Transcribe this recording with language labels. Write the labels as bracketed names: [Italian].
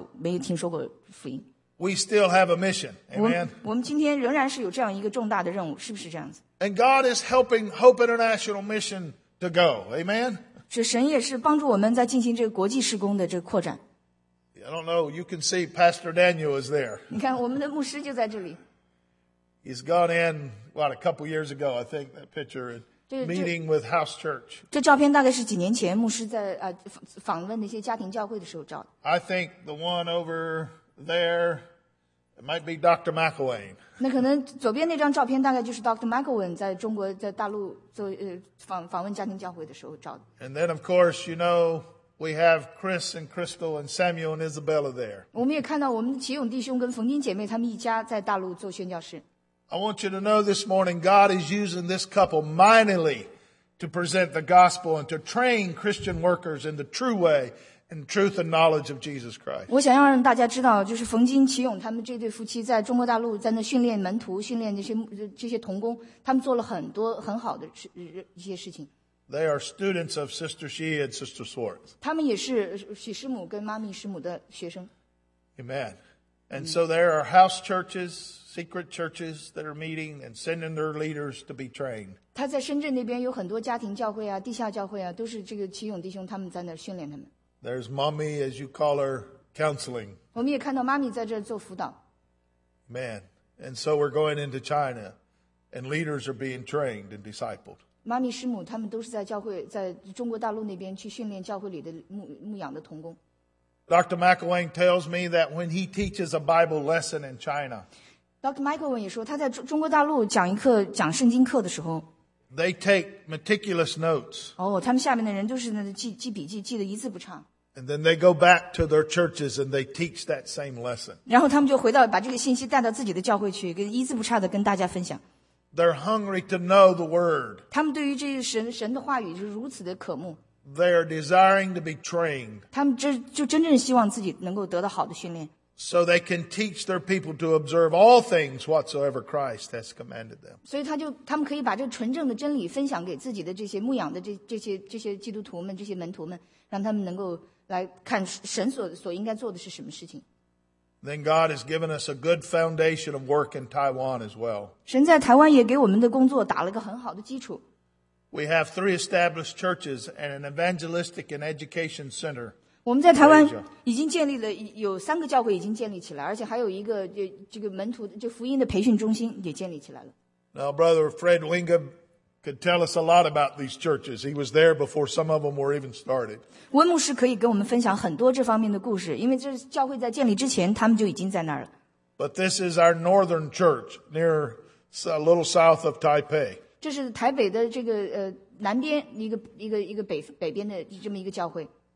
[Chinese] 大概2亿7000多万的这些佛教徒没有听说过福音。 [English] We still have a mission, amen? [Chinese] 我们今天仍然是有这样一个重大的任务，是不是这样子？ [English] And God is helping Hope International Mission to go, amen? [Chinese] 神也是帮助我们在进行这个国际事工的这个扩展。 [English] I don't know, you can see Pastor Daniel is there. [Chinese] 你看我们的牧师就在这里。 [English] He's gone in, what, a couple years ago, I think, that picture, meeting with house church. [Chinese] 这照片大概是几年前牧师在访问那些家庭教会的时候照的。 [English] I think the one over there, It might be Dr. McElwain. [Chinese] 那可能左边那张照片大概就是 Dr. McElwain 在中国在大陆做访问家庭教会的时候照的。 [English] And then, of course, you know, we have Chris and Crystal and Samuel and Isabella there. [Chinese] 我们也看到我们的启勇弟兄跟冯金姐妹他们一家在大陆做宣教士。 [English] I want you to know this morning, God is using this couple mightily to present the gospel and to train Christian workers in the true way. And truth and knowledge of Jesus Christ. [Chinese] 我想要让大家知道，就是冯金启勇他们这对夫妻在中国大陆在那训练门徒，训练这些童工，他们做了很多很好的一些事情。 [English] They are students of Sister She and Sister Swartz. [Chinese] 他们也是许师母跟妈咪师母的学生。 [English] Amen. And so there are house churches, secret churches that are meeting and sending their leaders to be trained. [Chinese] 他在深圳那边有很多家庭教会啊，地下教会啊，都是这个启勇弟兄他们在那训练他们。 [English] There's mommy, as you call her, counseling. [Chinese] 我们也看到妈咪在这做辅导。 [English] Man, and so we're going into China, and leaders are being trained and discipled. [Chinese] 妈咪师母他们都是在教会，在中国大陆那边去训练教会里的牧养的童工。 [English] Dr. McElwain tells me that when he teaches a Bible lesson in China, [Chinese] Dr. McElwain 也说他在中国大陆讲圣经课的时候。 [English] They take meticulous notes. [Chinese] 哦，他们下面的人都是那记笔记，记得一字不差。 [English] And then they go back to their churches and they teach that same lesson. [Chinese] 然后他们就回到把这个信息带到自己的教会去，跟一字不差的跟大家分享。 [English] They're hungry to know the word. [Chinese] 他们对于这神的话语是如此的渴慕。 [English] They are desiring to be trained. [Chinese] 他们就真正希望自己能够得到好的训练。 [English] So they can teach their people to observe all things whatsoever Christ has commanded them. [Chinese] 所以他们可以把这纯正的真理分享给自己的这些牧养的这些基督徒们这些门徒们，让他们能够来看神所应该做的是什么事情。 [English] Then God has given us a good foundation of work in Taiwan as well. [Chinese] 神在台湾也给我们的工作打了个很好的基础。 [English] We have three established churches and an evangelistic and education center. [Chinese] 我们在台湾已经建立了有三个教会已经建立起来，而且还有一个这个门徒就福音的培训中心也建立起来了。 [English] Now, Brother Fred Wingham could tell us a lot about these churches. He was there before some of them were even started. [Chinese] 温牧师可以跟我们分享很多这方面的故事，因为这教会在建立之前，他们就已经在那儿了。 [English] But this is our northern church, near a little south of Taipei. [Chinese] 这是台北的这个南边一个北边的这么一个教会。